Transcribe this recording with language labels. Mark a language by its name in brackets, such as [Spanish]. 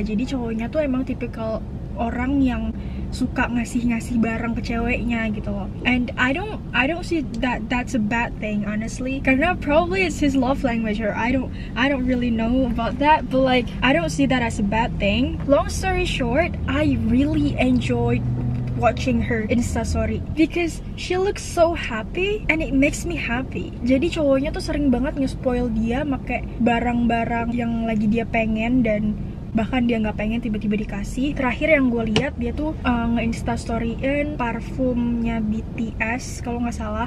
[Indonesian] Jadi cowoknya tuh emang tipikal orang yang suka ngasih-ngasih barang ke ceweknya gitu loh. [English] And I don't see that that's a bad thing honestly. [Indonesian] Karena [English] probably it's his love language or I don't really know about that, but like I don't see that as a bad thing. Long story short, I really enjoyed watching her insta story because she looks so happy and it makes me happy. [Indonesian] Jadi cowoknya tuh sering banget nge-spoil dia pakai barang-barang yang lagi dia pengen dan bahkan dia nggak pengen tiba-tiba dikasih. Terakhir yang gue lihat dia tuh nge-insta story-in parfumnya BTS kalau nggak salah.